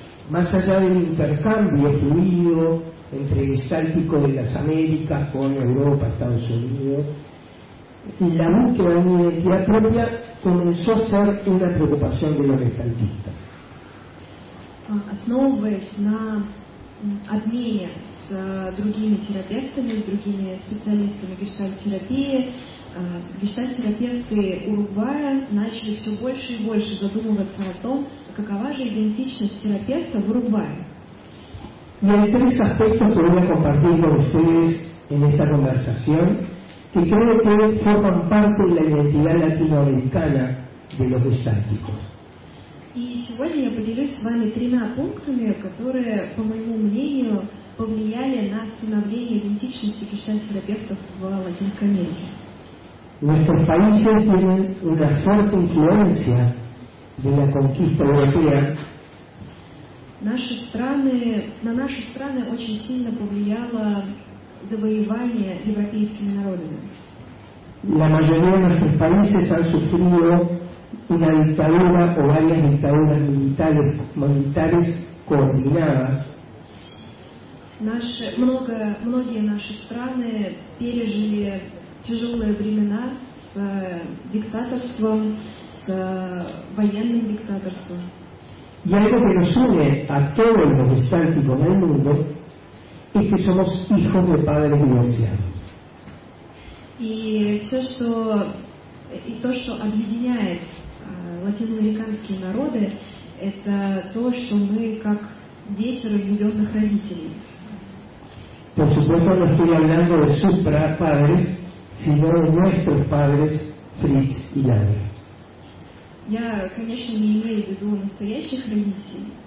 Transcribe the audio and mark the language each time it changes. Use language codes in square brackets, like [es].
[es] Más allá del intercambio fluido entre [ru] гештальтиков [es] de las Américas con Europa, Estados Unidos, la búsqueda de una identidad propia comenzó a ser una preocupación de los [ru] гештальтистов. Основываясь на обмене с другими терапевтами, с другими специалистами гештальт-терапии, гештальт-терапевты Уругвая начали все больше и больше задумываться о том, какова же идентичность терапевта в Уругвае. [es] Y hay tres aspectos que voy a compartir con ustedes en esta conversación que creo que forman parte de la identidad latinoamericana de los gestálticos. [ru] Y сегодня я поделюсь с вами тремя пунктами, которые, по моему мнению, повлияли на становление идентичности гештальт-терапевтов в Латинской Америке. [es] Nuestros países tienen una fuerte influencia de la conquista europea. [ru] На наши страны очень сильно повлияло завоевание европейскими народами. [es] La mayoría de nuestros países han sufrido una dictadura o varias dictaduras militares coordinadas. [ru] Многие наши страны пережили тяжелые времена с диктаторством, с военным диктаторством. [es] Y algo que nos une a todos los gestálticos del mundo es que somos hijos de padres divorciados. Y todo lo que [ru] объединяет латиноамериканские народы, это то, что мы как дети разведенных родителей. [es] Por supuesto, no estoy hablando de sus padres, sino de nuestros padres, Fritz y Lara. [ru] Я, конечно, не имею в виду настоящих родителей.